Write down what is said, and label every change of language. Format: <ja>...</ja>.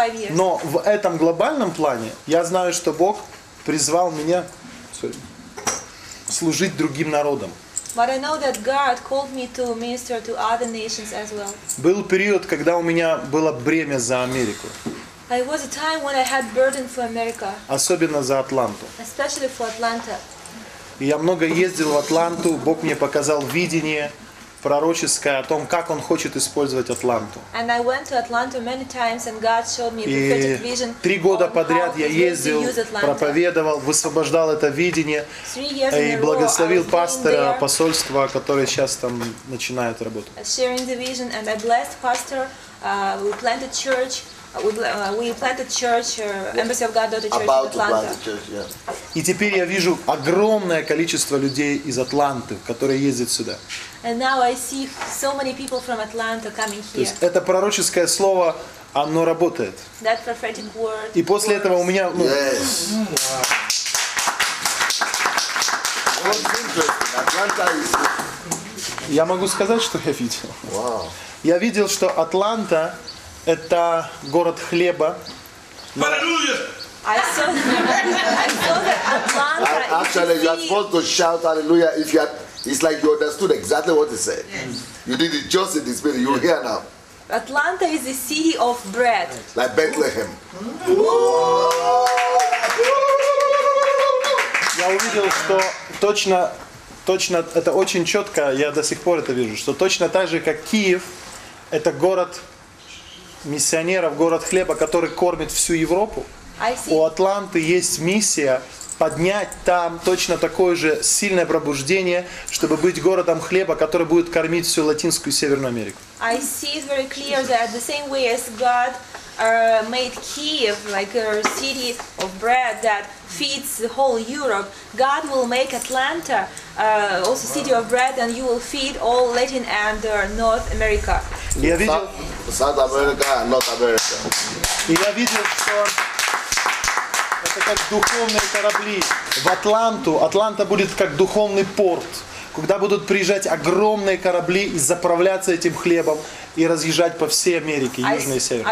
<ru>Но в этом глобальном плане я знаю, что Бог призвал меня служить другим народам.</ru> <en>But I know that God called me to minister to other nations as well.</en> <ru>Был период, когда у меня было бремя за Америку.</ru> <en>It was a time when I had burden for America.</en> <ru>Особенно за Атланту.</ru> <en>Especially for Atlanta.</en> <ru>И я много ездил в Атланту, Бог мне показал видение пророческое о том, как Он хочет использовать Атланту.</ru> <en>And I went to Atlanta many times, and God showed me a prophetic vision.</en> <ru>И 3 года подряд я ездил, проповедовал, высвобождал это видение и благословил пастора посольства, который сейчас там начинает работу.</ru> <en>Sharing the vision, and I blessed pastor. We planted church. We planted church, Embassy of God Daughter Church about in Atlanta. About planted church, yeah.</en> <ru>И теперь я вижу огромное количество людей из Атланты, которые ездят сюда.</ru> <en>And now I see so many people from Atlanta coming here.</en> <ru>То есть это пророческое слово, оно работает.</ru> <en>That prophetic word.</en> <ru>И после этого у меня,</ru> <en>Yes. Wow. Atlanta is.</en> <ru>Я могу сказать, что я видел.</ru> <en>Wow.</en> <ru>Я видел, что Атланта — это город хлеба.</ru> <en>Hallelujah. I saw that Atlanta. Actually, you are supposed to shout hallelujah if you are. It's like you understood exactly what he said. Yes. You did it just in the spirit. You hear now. Atlanta is the city of bread. Like Bethlehem.</en> <ru>Я увидел, что точно, это очень четко, я до сих пор это вижу, что точно так же, как Киев, это город миссионеров, город хлеба, который кормит всю Европу. У Атланты есть миссия поднять там точно такое же сильное пробуждение, чтобы быть городом хлеба, который будет кормить всю Латинскую и Северную Америку.</ru> <en>I see it very clear that the same way as God made Kyiv like a city of bread that feeds the whole Europe, God will make Atlanta also city of bread, and you will feed all Latin and North America.</en> <ru>Я видел.</ru> <en>South America, North America.</en> <ru>Я видел, что это как духовные корабли в Атланту. Атланта будет как духовный порт, куда будут приезжать огромные корабли и заправляться этим хлебом и разъезжать по всей Америке, южной и северной.</ru>